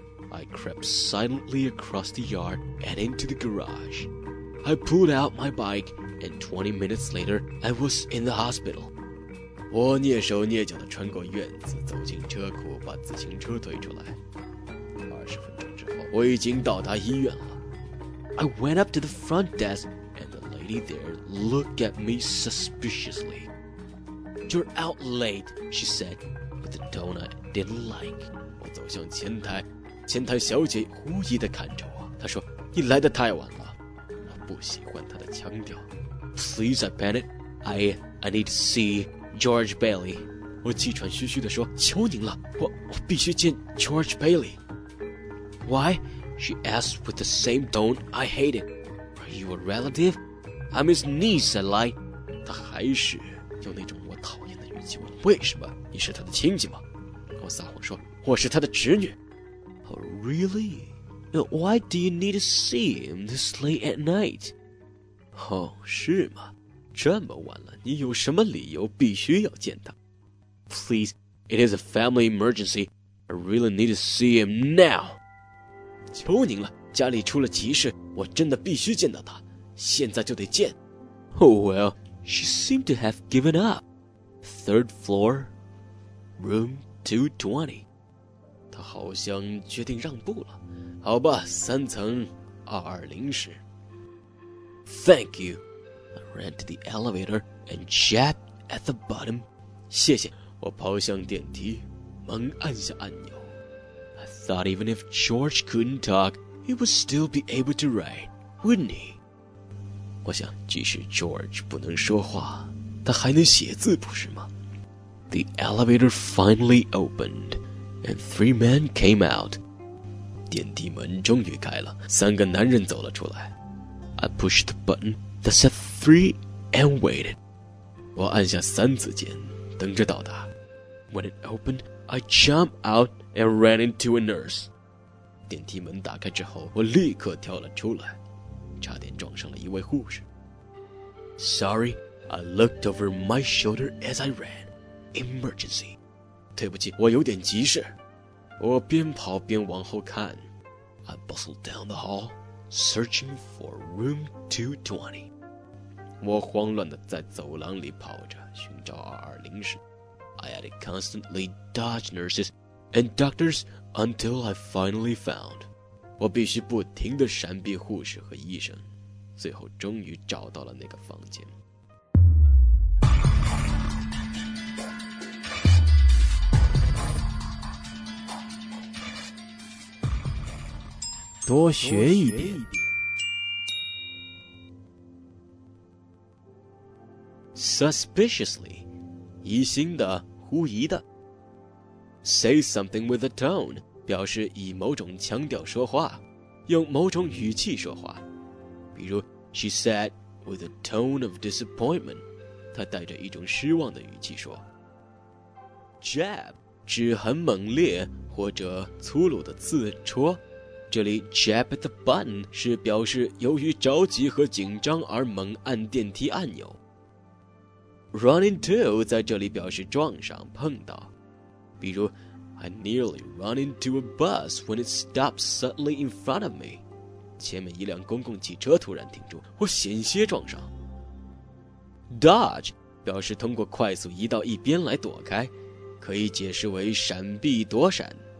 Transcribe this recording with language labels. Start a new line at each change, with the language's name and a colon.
English: I crept silently across the yard and into the garage. I pulled out my bike, and 20 minutes later, I was in the hospital.
Chinese: 我蹑手蹑脚地穿过院子，走进车库，把自行车推出来。 20分钟之后，我已经到达医院了。
English: I went up to the front desk, and the lady there looked at me suspiciously. "You're out late," she said, with a tone I didn't like.
Chinese: 我走向前台，前台小姐狐疑地看着我，她说：你来得太晚了。我不喜欢她的腔调。
English: Please, I panted, I need to see George Bailey.
Chinese: 我气喘吁吁地说：求您了，我必须见 George Bailey.
English: "Why?" she asked with the same tone I hated. "Are you a relative?" "I'm his niece," I lied.
Chinese: 她还是用那种我讨厌的语气问，为什么？你是他的亲戚吗？我撒谎说，我是他的侄女。
English: Oh, really? Why do you need to see him this late at night?
Chinese: Oh, 是吗？这么晚了，你有什么理由必须要见他？
English: Please, it is a family emergency. I really need to see him now.
Chinese: 求您了，家里出了急事，我真的必须见到他，现在就得见。
English: Oh well, she seemed to have given up. Third floor, room 220.
Chinese: 她好像决定让步了。好吧，三层220室。
English: Thank you. I ran to the elevator and checked at the bottom.
Chinese: 谢谢。我跑向电梯，猛按下按钮。
English: I thought even if George couldn't talk, he would still be able to write, wouldn't he?
Chinese: 我想即使 George 不能说话，他还能写字不是吗？
English: The elevator finally opened, and three men came out.
Chinese: 电梯门终于开了，三个男人走了出来。
English: I pushed the button that said three and waited.
Chinese: 我按下三次键，等着到达。
English: When it opened, I jumped out and ran into a nurse.
Chinese: 电梯门打开之后，我立刻跳了出来。差点撞上了一位护士。
English: Sorry, I looked over my shoulder as I ran. Emergency.
Chinese: 对不起，我有点急事。我边跑边往后看。
English: I bustled down the hall, searching for room 220.
Chinese: 我慌乱地在走廊里跑着，寻找220室。
English: I had to constantly dodge nurses and doctors until I finally found.
Chinese: 我必须不停地闪避护士和医生，最后终于找到了那个房间。多学一点。 Suspiciously， 疑心的，狐疑的。
English: Say something with a tone，
Chinese: 表示以某种腔调说话，用某种语气说话。比如
English: She said with a tone of disappointment，
Chinese: 她带着一种失望的语气说。
English: Jab
Chinese: 指很猛烈或者粗鲁的刺戳，这里
English: jab at the button
Chinese: 是表示由于着急和紧张而猛按电梯按钮。
English: Run into
Chinese: 在这里表示撞上碰到，比如
English: I nearly run into a bus when it stopped suddenly in front of me.
Chinese: 前面一辆公共汽车突然停住，我险些撞上。 Dodge 表示通过快速移到一边来躲开，可以解释为闪避躲闪。